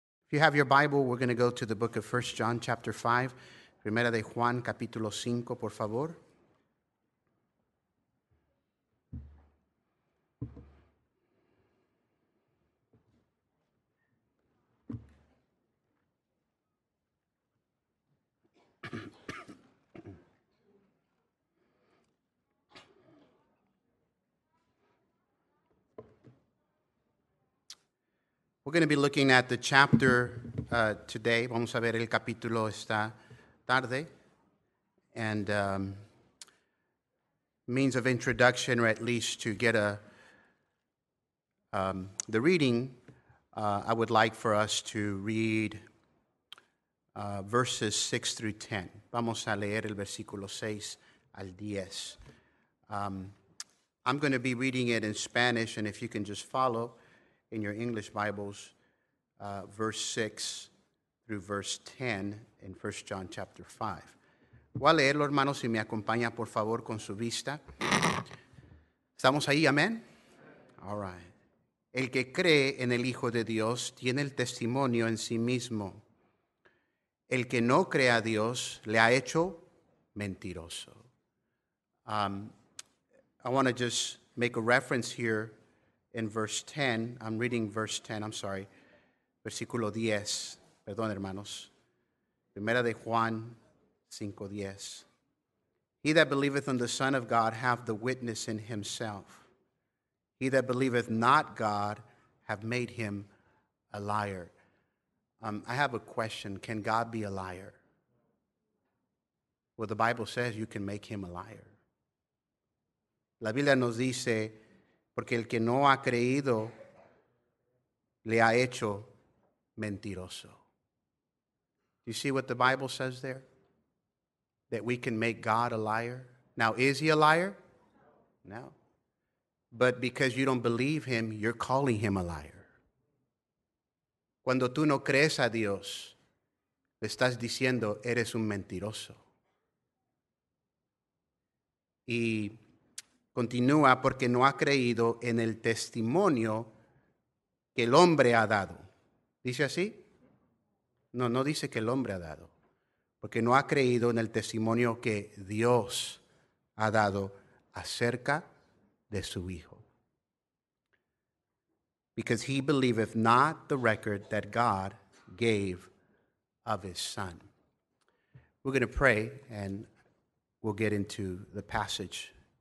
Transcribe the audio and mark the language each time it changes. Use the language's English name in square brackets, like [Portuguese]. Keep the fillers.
[English] If you have your Bible, we're going to go to the book of 1 John, chapter 5. [Spanish] Primera de Juan, capítulo 5, por favor. [English] We're going to be looking at the chapter uh, today. [Spanish] Vamos a ver el capítulo esta tarde. [English] And um, means of introduction, or at least to get a um, the reading, uh, I would like for us to read uh, verses 6 through 10. [Spanish] Vamos a leer el versículo 6 al 10. [English] Um, I'm going to be reading it in Spanish, and if you can just follow in your English Bibles, uh, verse 6 through verse 10 in 1 John chapter 5. [Spanish] Voy a leerlo, hermanos, si me acompaña, por favor, con su vista. ¿Estamos ahí? Amén. [English] All right. [Spanish] El que cree en el Hijo de Dios tiene el testimonio en sí mismo. El que no cree a Dios le ha hecho mentiroso. [English] Um, I want to just make a reference here in verse 10. I'm reading verse 10, I'm sorry. [Spanish] Versículo 10. Perdón, hermanos. Primera de Juan [English] 5:10. He that believeth on the Son of God hath the witness in himself. He that believeth not God have made him a liar. Um, I have a question. Can God be a liar? Well, the Bible says you can make him a liar. [Spanish] La Biblia nos dice, porque el que no ha creído le ha hecho mentiroso. [English] Do you see what the Bible says there? That we can make God a liar? Now, is he a liar? No. But because you don't believe him, you're calling him a liar. [Spanish] Cuando tú no crees a Dios, le estás diciendo, eres un mentiroso. Y continúa porque no ha creído en el testimonio que el hombre ha dado. ¿Dice así? No, no dice que el hombre ha dado, porque no ha creído en el testimonio que Dios ha dado acerca de su Hijo. [English] Because he believeth not the record that God gave of his Son. We're going to pray and we'll get into the passage.